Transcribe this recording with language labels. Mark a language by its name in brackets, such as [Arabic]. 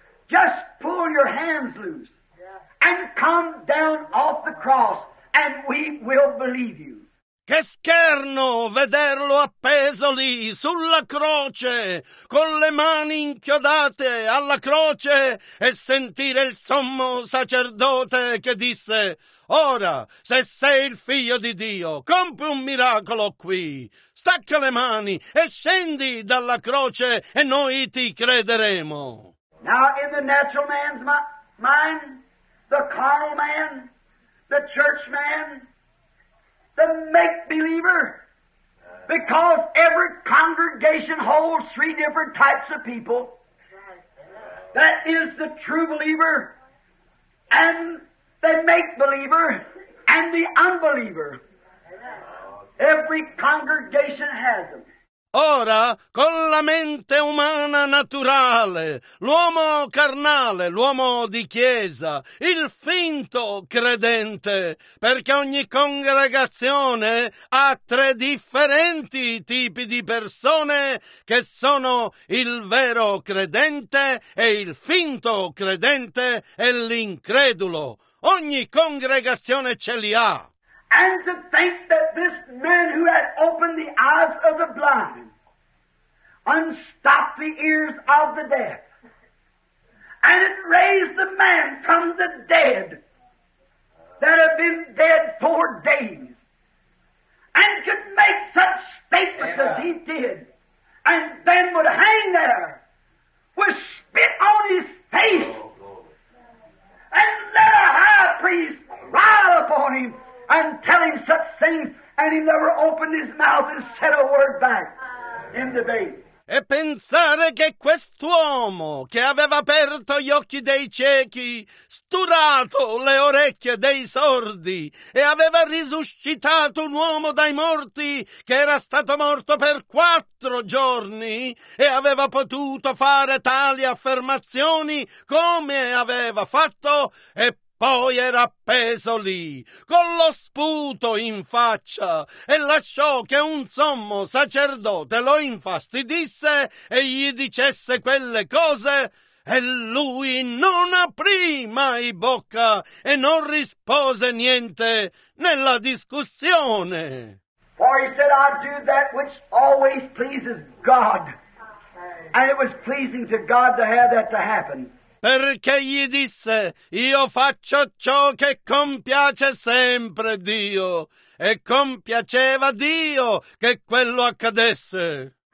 [English] Just pull your hands loose and come down off the cross and we will believe you. [Italian] Che scherno vederlo appeso lì sulla croce, con le mani inchiodate alla croce, e sentire il sommo sacerdote che disse: ora, se sei il figlio di Dio, compi un miracolo qui. Stacca le mani e scendi dalla croce e noi ti crederemo. [English] Now, in the natural man's mind, the carnal man, the church man, the make-believer, because every congregation holds three different types of people. That is the true believer, and the make-believer, and the unbeliever. Every congregation has them. [Italian] Ora, con la mente umana naturale, l'uomo carnale, l'uomo di chiesa, il finto credente, perché ogni congregazione ha tre differenti tipi di persone che sono il vero credente e il finto credente e l'incredulo. Ogni congregazione ce li ha. [English] And to think that this man who had opened the eyes of the blind, unstopped the ears of the deaf, and it raised the man from the dead that had been dead 4 days, and could make such statements as he did, and then would hang there with spit on his face, and let a high priest ride upon him and tell him such things, and he never opened his mouth and said a word back in debate. [Italian] e pensare che quest'uomo che aveva aperto gli occhi dei ciechi, sturato le orecchie dei sordi e aveva risuscitato un uomo dai morti che era stato morto per 4 giorni e aveva potuto fare tali affermazioni come aveva fatto e poi era appeso lì, con lo sputo in faccia, e lasciò che un sommo sacerdote lo infastidisse e gli dicesse quelle cose, e lui non aprì mai bocca e non rispose niente nella discussione. [English] For he said, I do that which always pleases God, and it was pleasing to God to have that to happen. [Italian] Perché gli disse, io faccio ciò che compiace sempre Dio, e compiaceva Dio che quello accadesse.